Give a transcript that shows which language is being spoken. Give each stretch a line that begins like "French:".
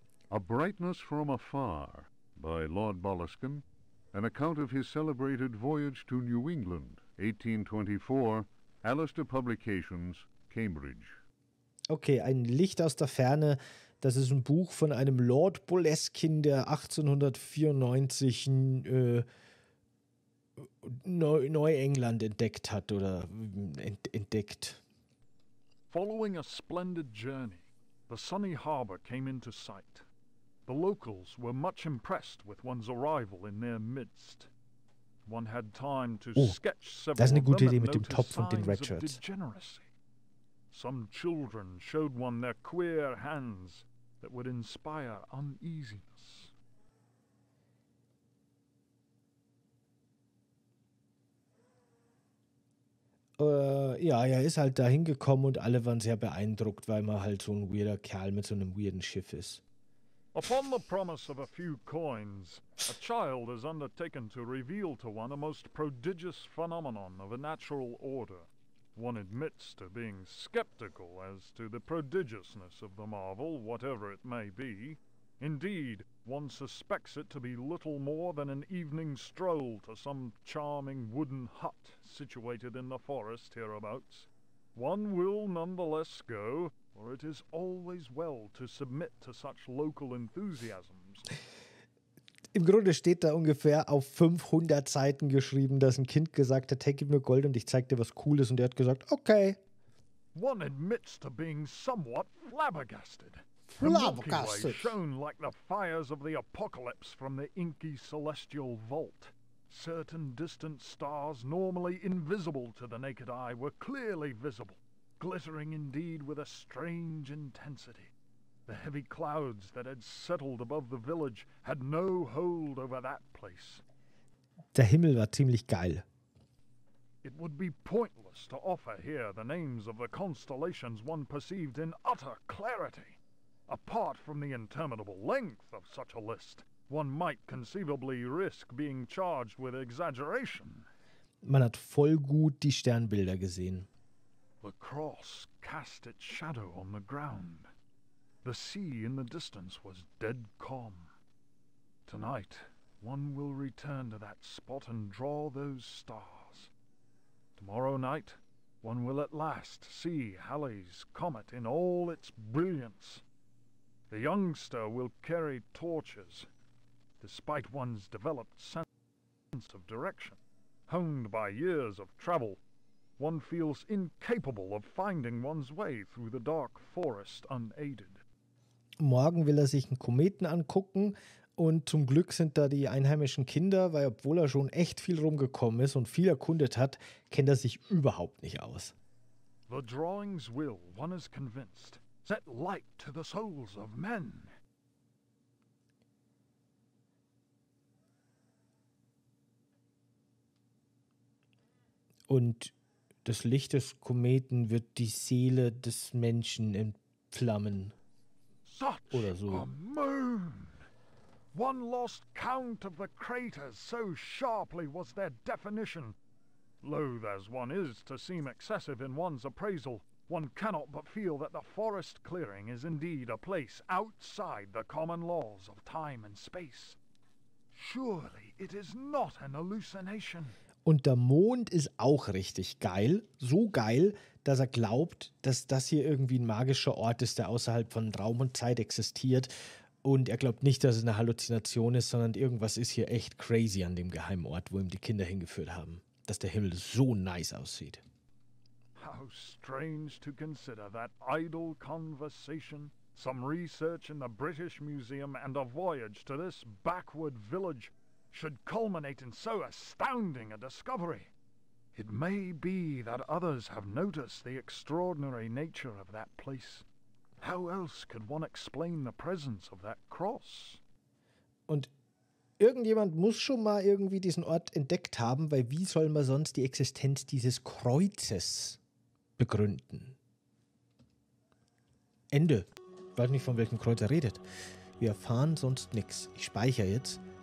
English: A Brightness from Afar by Lord Boleskine. An account of his celebrated voyage to New England. 1824, Alistair Publications, Cambridge.
German: Okay, ein Licht aus der Ferne. Das ist ein Buch von einem Lord Boleskine, der 1894 Neuengland entdeckt hat oder entdeckt.
English: Following a splendid journey, the sunny harbor came into sight. The locals were much impressed with one's arrival in their midst. One had time to sketch several of them and notice signs of degeneracy. Some children showed one their queer hands that would inspire uneasiness.
German: Ja, er ist halt da hingekommen und alle waren sehr beeindruckt, weil man halt so ein weirder Kerl mit so einem weirden Schiff ist.
English: Upon the promise of a few coins, a child has undertaken to reveal to one a most prodigious phenomenon of a natural order. One admits to being skeptical as to the prodigiousness of the marvel, whatever it may be. Indeed, one suspects it to be little more than an evening stroll to some charming wooden hut situated in the forest hereabouts. One will nonetheless go, for it is always well to submit to such local enthusiasms.
German: Im Grunde steht da ungefähr auf 500 Seiten geschrieben, dass ein Kind gesagt hat, hey, gib mir Gold und ich zeig dir was Cooles. Und er hat gesagt, okay.
English: One admits to being somewhat flabbergasted. Flabbergasted. The Milky Way shone like the fires of the apocalypse from the inky celestial vault. Certain distant stars, normally invisible to the naked eye, were clearly visible, glittering indeed with a strange intensity. The heavy clouds that had settled above the village had no hold over that place.
German: Der Himmel war ziemlich geil.
English: It would be pointless to offer here the names of the constellations one perceived in utter clarity. Apart from the interminable length of such a list, one might conceivably risk being charged with exaggeration.
German: Man hat voll gut die Sternbilder gesehen.
English: The cross cast its shadow on the ground. The sea in the distance was dead calm. Tonight, one will return to that spot and draw those stars. Tomorrow night, one will at last see Halley's Comet in all its brilliance. The youngster will carry torches. Despite one's developed sense of direction, honed by years of travel, one feels incapable of finding one's way through the dark forest unaided.
German: Morgen will er sich einen Kometen angucken und zum Glück sind da die einheimischen Kinder, weil obwohl er schon echt viel rumgekommen ist und viel erkundet hat, kennt er sich überhaupt nicht aus.
English: The drawings will, one is convinced, set light to the souls of men.
German: Und das Licht des Kometen wird die Seele des Menschen entflammen. Oder so.
English: A moon! One lost count of the craters, so sharply was their definition. Loath as one is to seem excessive in one's appraisal, one cannot but feel that the forest clearing is indeed a place outside the common laws of time and space. Surely it is not an hallucination.
German: Und der Mond ist auch richtig geil. So geil, dass er glaubt, dass das hier irgendwie ein magischer Ort ist, der außerhalb von Raum und Zeit existiert. Und er glaubt nicht, dass es eine Halluzination ist, sondern irgendwas ist hier echt crazy an dem geheimen Ort, wo ihm die Kinder hingeführt haben. Dass der Himmel so nice aussieht.
English: How strange to consider that idle conversation, some research in the British Museum and a voyage to this backward village should culminate in so astounding a discovery. It may be that others have noticed the extraordinary nature of that place. How else could one explain the presence of that cross?
German: Und irgendjemand muss schon mal irgendwie diesen Ort entdeckt haben, weil wie soll man sonst die Existenz dieses Kreuzes begründen? Ende. Ich weiß nicht, von welchem Kreuz er redet. Wir erfahren sonst nichts. Ich speichere jetzt.